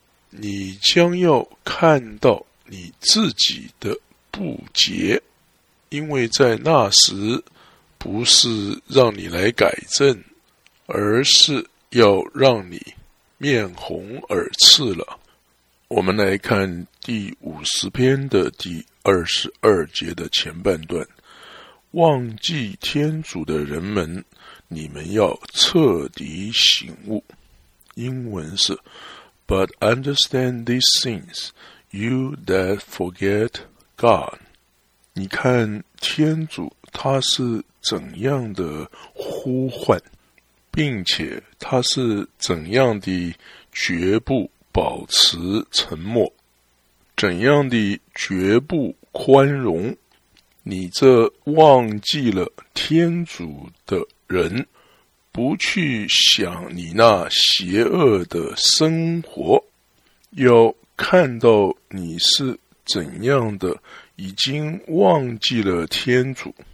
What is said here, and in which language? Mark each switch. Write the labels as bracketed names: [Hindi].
[Chinese] 你将要看到你自己的不洁，因为在那时不是让你来改正，而是要让你面红耳赤了。我们来看第50篇22节的前半段，忘记天主的人们，你们要彻底醒悟。英文是 [English] But understand these things, you that forget God. [Chinese] 你看天主他是怎样的呼唤，并且他是怎样的绝不保持沉默，怎样的绝不宽容，你这忘记了天主的人，不去想你那邪恶的生活，要看到你是怎样的已经忘记了天主。